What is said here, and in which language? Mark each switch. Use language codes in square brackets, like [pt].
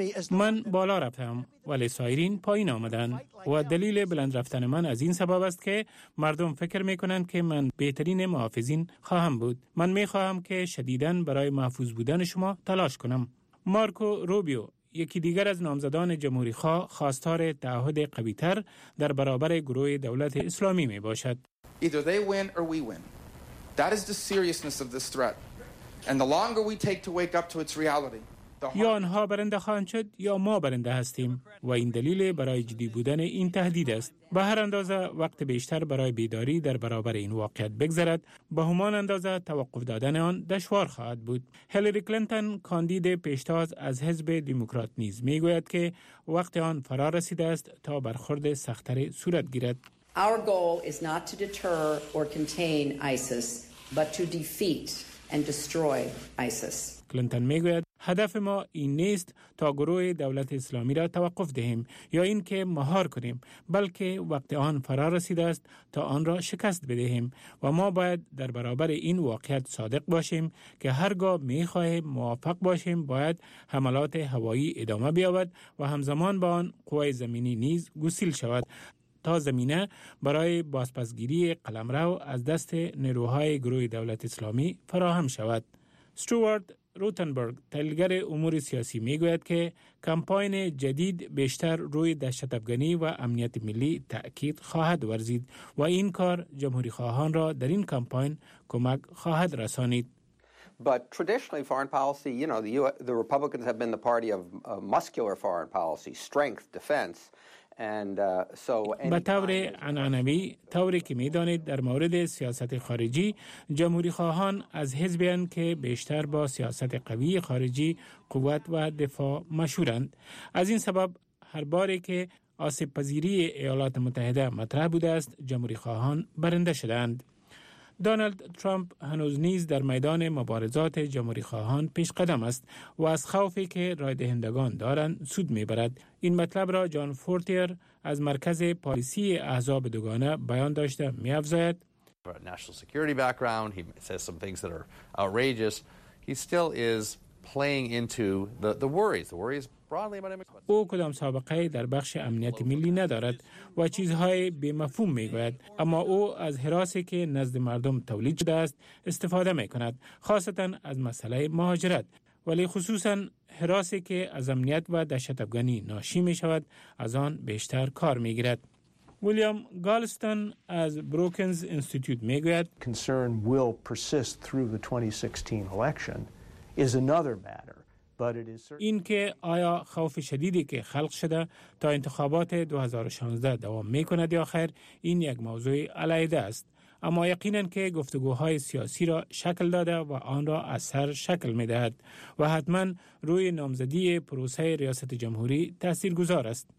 [fa] من بالا رفتم ولی سایرین پایین آمدند و دلیل بلند رفتن من از این سبب است که مردم فکر می کنند که من بهترین محافظین خواهم بود. من می خواهم که شدیداً برای محفوظ بودن شما تلاش کنم. مارکو روبیو، یکی دیگر از نامزدان جمهوری خواه، خواستار تعهد قوی تر در برابر گروه دولت اسلامی می باشد. [en] Either they win or we win. That is the seriousness of this threat. And the longer we take to wake up to its reality. [fa] یا آنها برنده خواهند شد یا ما برنده هستیم و این دلیل برای جدی بودن این تهدید است. به هر اندازه وقت بیشتر برای بیداری در برابر این واقعیت بگذرد، به همان اندازه توقف دادن آن دشوار خواهد بود. هیلری کلینتون، کاندید پیشتاز از حزب دموکرات نیز می گوید که وقت آن فرا رسیده است تا برخورد سخت‌تر صورت گیرد. [en] Our goal is not to deter or contain ISIS, but to defeat and destroy ISIS. [fa] کلینتون می گوید هدف ما این نیست تا گروه دولت اسلامی را توقف دهیم یا اینکه مهار کنیم، بلکه وقت آن فرا رسیده است تا آن را شکست بدهیم و ما باید در برابر این واقعیت صادق باشیم که هرگاه می خواهیم موافق باشیم باید حملات هوایی ادامه بیابد و همزمان با آن قوای زمینی نیز گسیل شود تا زمینه برای بازپسگیری قلمرو از دست نیروهای گروه دولت اسلامی فراهم شود. استوارت روتنبرگ، تحلیلگر امور سیاسی، میگوید که کمپاین جدید بیشتر روی دهشت افغانی و امنیت ملی تاکید خواهد ورزید و این کار جمهوری خواهان را در این کمپاین کمک خواهد رسانید. [en] But traditionally foreign policy, you know, the Republicans have been the party of muscular foreign policy, strength, defense. [fa] به طور عنعنوی، طوری که می دانید، در مورد سیاست خارجی جمهوری خواهان از حزبی هستند که بیشتر با سیاست قوی خارجی، قوت و دفاع مشهورند. از این سبب هر باری که آسیب پذیری ایالات متحده مطرح بوده است جمهوری خواهان برنده شدند. دونالد ترامپ هنوز نیز در میدان مبارزات جمهوری خواهان پیش قدم است و از خوفی که رای دهندگان دارند سود می برد. این مطلب را جان فورتیر از مرکز پالیسی احزاب دوگانه بیان داشته می افزاید. [en] National security background, he says some things that are outrageous. He still is playing into the worries. The worries. [fa] او کدام سابقه در بخش امنیت ملی ندارد و چیزهای بی‌مفهوم میگوید، اما او از حراسی که نزد مردم تولید شده است استفاده میکند، خاصتا از مسئله مهاجرت، ولی خصوصا حراسی که از امنیت و دهشت افغانی ناشی میشود از آن بیشتر کار میگیرد. ویلیام گالستون از بروکنز انستیتوت میگوید [en] concern will persist through the 2016 election is another matter. [fa] این که آیا خوف شدیدی که خلق شده تا انتخابات 2016 دوام می کند یا خیر، این یک موضوع علیحدہ است. اما یقیناً که گفتگوهای سیاسی را شکل داده و آن را اثر شکل می دهد و حتماً روی نامزدی پروسه ریاست جمهوری تأثیر گذار است.